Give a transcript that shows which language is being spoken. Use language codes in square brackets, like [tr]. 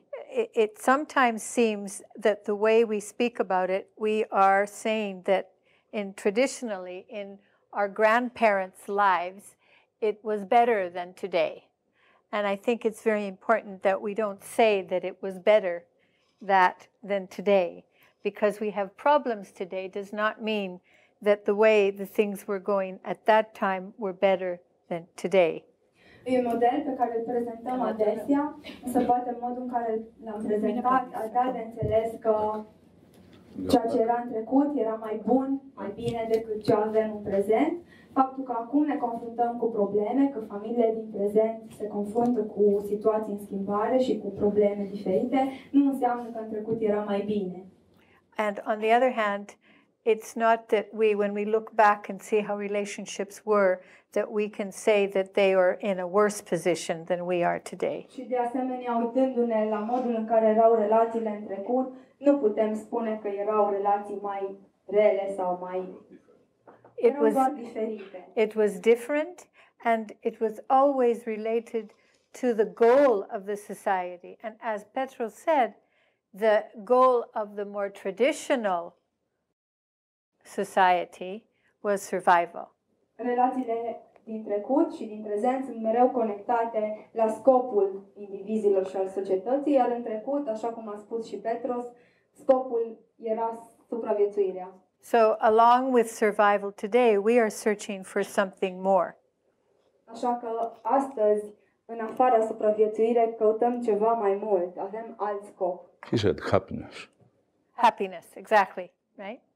[en] It sometimes seems that the way we speak about it, we are saying that traditionally in our grandparents' lives, it was better than today. And I think it's very important that we don't say that it was better than today. Because we have problems today does not mean that the way the things were going at that time were better than today. [ro] E model pe care îl prezentăm adesea, însă poate modul în care l-am prezentat a dat de înțeles că ceea ce era în trecut era mai bun, mai bine decât ce avem în prezent. Faptul că acum ne confruntăm cu probleme, că familiile din prezent se confruntă cu situații în schimbare și cu probleme diferite, nu înseamnă că în trecut era mai bine. [en] And on the other hand, it's not that we, when we look back and see how relationships were, that we can say that they are in a worse position than we are today. [ro] Și de asemenea, uitându-ne la modul în care erau relațiile în trecut, nu putem spune că erau relații mai rele sau mai diferite. [en] It was different, and it was always related to the goal of the society. And as Petros said, the goal of the more traditional society was survival. [ro] relațiile din trecut și din prezent sunt mereu conectate la scopul indivizilor și al societății, iar în trecut, așa cum a spus și Petros, scopul era supraviețuirea. [en] So, along with survival today, we are searching for something more. [ro] Așa că astăzi, în afara supraviețuirii, căutăm ceva mai mult, avem alt scop. [en] He said happiness. Happiness, exactly, right?